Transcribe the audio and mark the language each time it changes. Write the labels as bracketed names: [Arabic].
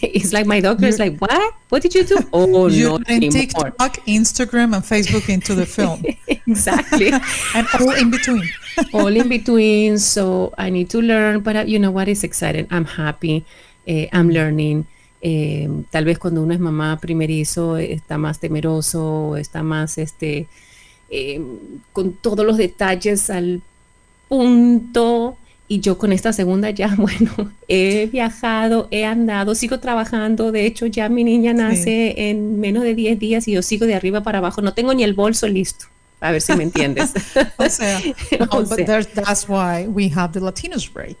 [English] It's like my doctor is like, what did you do? Oh, no, you're in TikTok, Instagram, and Facebook into the film. Exactly. And all in between. All in between. So I need to learn, but you know what is exciting? I'm happy. I'm learning. [Spanish] Tal vez cuando uno es mamá primerizo, está más temeroso, está más con todos los detalles al punto. Y yo con esta segunda ya, bueno, he viajado, he andado, sigo trabajando. De hecho, ya mi niña nace sí. en menos de 10 días y yo sigo de arriba para abajo. No tengo ni el bolso listo. A ver si me entiendes. [English] But that's why we have the Latinas break.